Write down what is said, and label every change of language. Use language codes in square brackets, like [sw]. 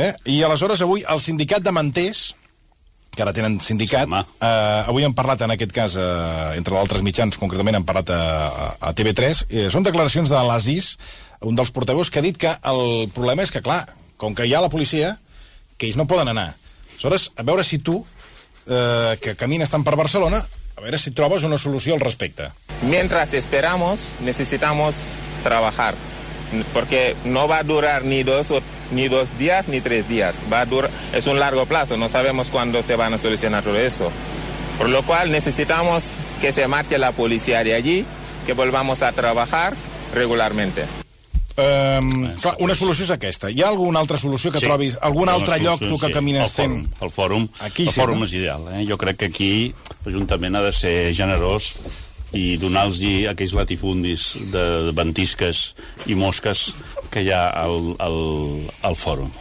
[ca] I aleshores avui el sindicat de manters, que ara tenen sindicat, avui hem parlat en aquest cas, entre d'altres mitjans, concretament hem parlat a TV3, són declaracions de l'Asís, un dels portaveus, que ha dit que el problema és que, clar, com que hi ha la policia, que ells no poden anar. Aleshores, a veure si tu, que camines tant per Barcelona, a veure si trobes una solució al respecte. [es] Mientras esperamos, necesitamos trabajar. Porque no va a durar ni dos días ni tres días. Es un largo plazo, no sabemos cuándo se van a solucionar todo eso. Por lo cual, necesitamos que se marche la policía de allí, que volvamos a trabajar regularmente. [ca] Clar, una solució és aquesta. Hi ha alguna altra solució que trobis? Algun altre lloc tu que camines tenen? El fòrum. Aquí el fòrum és ideal. Jo crec que aquí l'Ajuntament ha de ser generós i donar-los aquells latifundis de ventisques i mosques que hi ha al fòrum.